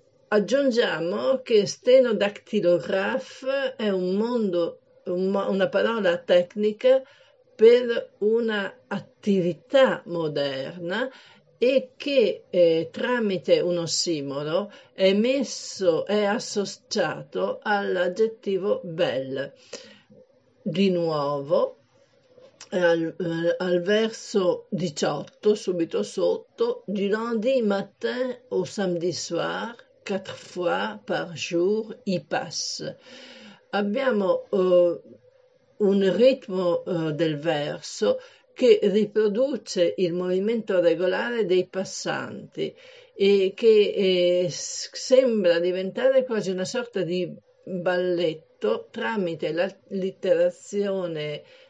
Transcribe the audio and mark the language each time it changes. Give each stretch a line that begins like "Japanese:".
Italian: Aggiungiamo che sténodactylographe è una parola tecnica per una attività moderna e che tramite un ossimoro è associato all'aggettivo belle. Di nuovo, al verso 18, subito sotto,
French: du lundi matin au samedi soir, quatre fois par jour, y passe.
Italian: Abbiamo un ritmo del verso che riproduce il movimento regolare dei passanti e che sembra diventare quasi una sorta di balletto tramite l'allitterazione